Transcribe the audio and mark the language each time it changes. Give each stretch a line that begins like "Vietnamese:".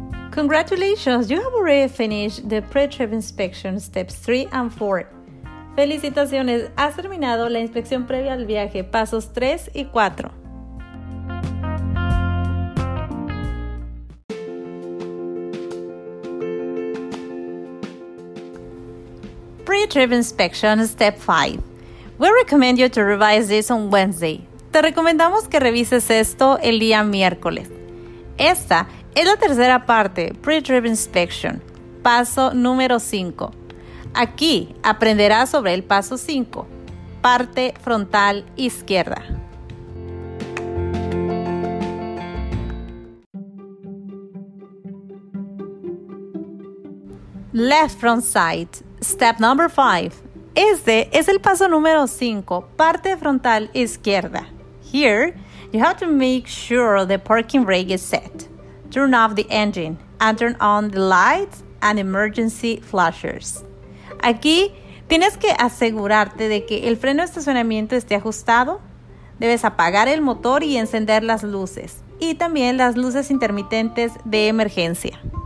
English: Congratulations, you have already finished the pre-trip inspection steps 3 and 4.
Spanish: Felicitaciones, has terminado la inspección previa al viaje, pasos 3 y 4.
English: Pre-trip inspection step 5. We recommend you to revise this on Wednesday.
Spanish: Te recomendamos que revises esto el día miércoles. Esta es la tercera parte, pre-trip inspection, paso número 5. Aquí aprenderás sobre el paso 5, parte frontal izquierda.
English: Left front sight, step number 5.
Spanish: Este es el paso número 5, parte frontal izquierda.
English: Here, you have to make sure the parking brake is set. Turn off the engine and turn on the lights and emergency flashers.
Spanish: Aquí tienes que asegurarte de que el freno de estacionamiento esté ajustado. Debes apagar el motor y encender las luces y también las luces intermitentes de emergencia.